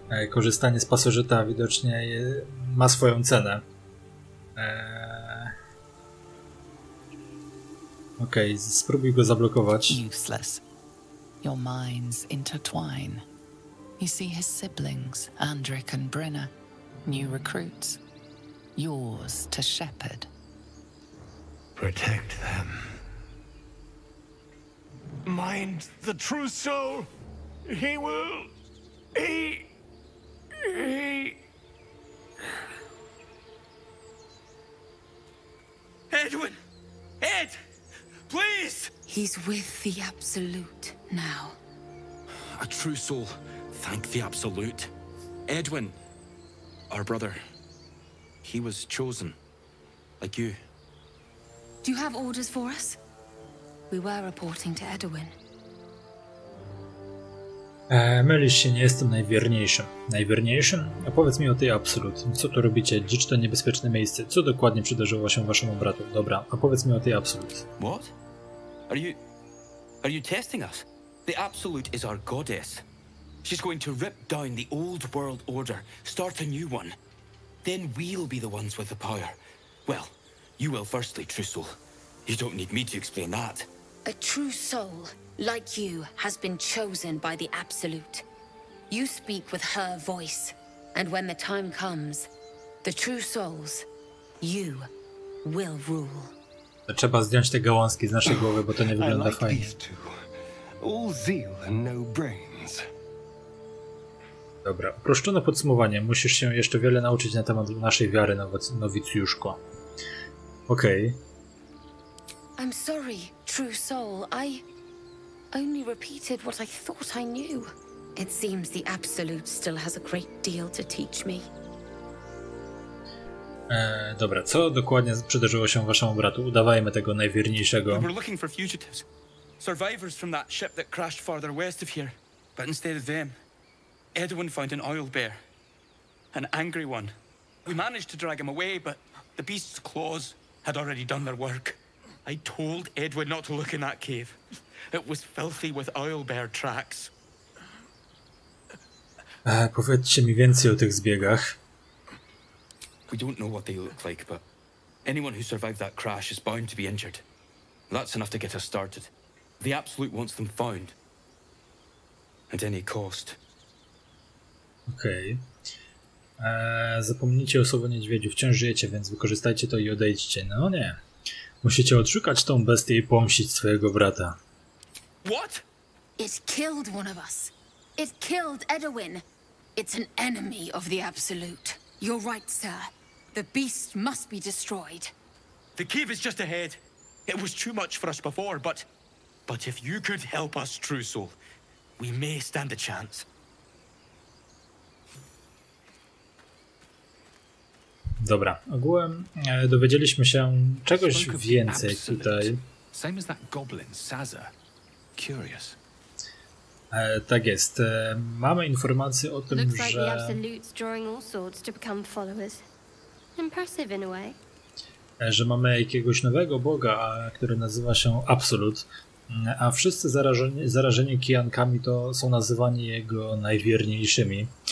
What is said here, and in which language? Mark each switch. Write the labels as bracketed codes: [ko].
[pl] Korzystanie z pasożyta widocznie ma swoją cenę. Okej, spróbuj go zablokować. [en] Useless. Your minds intertwine. You see his siblings, Andric and Brynna, new recruits. Yours to shepherd. Protect them. Mind the true soul. He will... He... Edwin! Ed! Please! He's with the Absolute now. A true soul, thank the Absolute. Edwin, our brother, he was chosen, like you. Do you have orders for us? We were reporting to Edwin. [pl] Mylisz się, nie jestem najwierniejszym. Najwierniejszym? A powiedz mi o tej Absolut. Co tu robicie? Gdzie to niebezpieczne miejsce? Co dokładnie przydarzyło się waszemu bratu? Dobra, a powiedz mi o tej Absolut. [en] What? Are you testing us? The Absolute is our goddess. She's going to rip down the old world order, start a new one. Then we'll be the ones with the power. Well, you will firstly, true soul. You don't need me to explain that. A true soul, like you, has been chosen by the Absolute. You speak with her voice, and when the time comes, the true souls, you will rule. [pl] Trzeba zdjąć te gałązki z naszej głowy, bo to nie wygląda [en] like [pl] fajnie. [en] All zeal and no brains. [pl] Dobra, uproszczone podsumowanie. Musisz się jeszcze wiele nauczyć na temat naszej wiary, nowicjuszko. Okej. [en] Okay. I'm sorry, true soul. I only repeated what I thought I knew. It seems the Absolute still has a great deal to teach me. [pl] Dobra, co dokładnie przydarzyło się waszemu bratu? Udawajmy tego najwierniejszego. [en] We were looking for fugitives. Survivors from that ship that crashed farther west of here. But instead of them, Edwin found an oil bear. An angry one. We managed to drag him away, but the beast's claws had already done their work. I told Edwin not to look in that cave. It was filthy with oil bear tracks. [pl] Powiedzcie mi więcej o tych zbiegach. [en] We don't know what they look like, but anyone who survived that crash is bound to be injured. That's enough to get us started. The Absolute wants them found. At any cost. Okej. Okay. [pl] Zapomnijcie o słowie niedźwiedziu. Wciąż żyjecie, więc wykorzystajcie to i odejdźcie. No nie. Musicie odszukać tą bestię i pomścić swojego brata. [en] What? It killed one of us. It killed Edwin. It's an enemy of the Absolute. You're right, sir. The beast must be destroyed. The cave is just ahead. It was too much for us before, but if you could help us, true soul, we may stand a chance. [pl] Dobra, ogółem dowiedzieliśmy się czegoś więcej tutaj. [en] Same as that goblin, Sazer. Curious. [pl] Tak jest. Mamy informację o tym, [en] looks like [pl] że... [en] the Absolute's drawing all sorts to become followers. Impressive in a way. [pl] Że mamy jakiegoś nowego boga, który nazywa się Absolute, a wszyscy zarażeni kijankami to są nazywani jego najwierniejszymi.